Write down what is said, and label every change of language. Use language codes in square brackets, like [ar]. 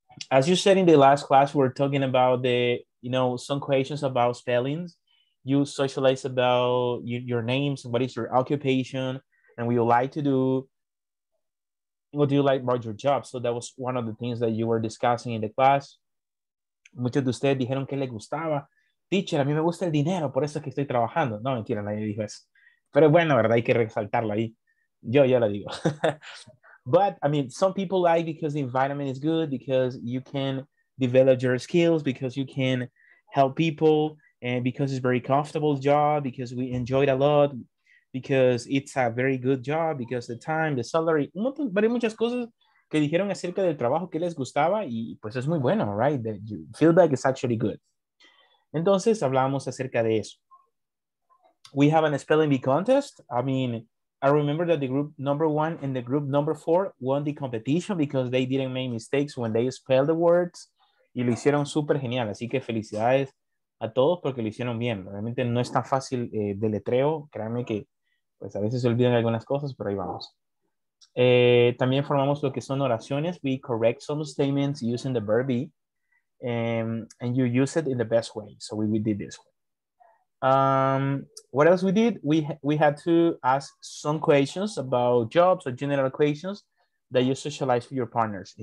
[en] As you said in the last class, we're talking about the, you know, some questions about spellings. You socialize about your names, what is your occupation, and what you like to do. What do you like about your job? So that was one of the things that you were discussing in the class. [es] Muchos de ustedes dijeron que les gustaba. Teacher, a mí me gusta el dinero, por eso es que estoy trabajando. No, mentira, nadie dijo eso. Pero bueno, verdad, hay que resaltarlo ahí. Yo lo digo. [en] But I mean, some people like because the environment is good, because you can develop your skills, because you can help people, and because it's a very comfortable job, because we enjoy it a lot, because it's a very good job, because the time, the salary, [es] un montón, varias muchas cosas que dijeron acerca del trabajo que les gustaba, [en] y pues es muy bueno, right? The feedback is actually good. [es] Entonces, hablamos acerca de eso. [en] We have a spelling bee contest. I mean, I remember that the group number one and the group number four won the competition because they didn't make mistakes when they spelled the words. [es] Y lo hicieron súper genial. Así que felicidades a todos porque lo hicieron bien. Realmente no es tan fácil deletreo. Créanme que pues a veces se olvidan algunas cosas, pero ahí vamos. También formamos lo que son oraciones. [en] We correct some statements using the verb be. And you use it in the best way. So we did this one. What else we did? We had to ask some questions about jobs or general questions that you socialize with your partners.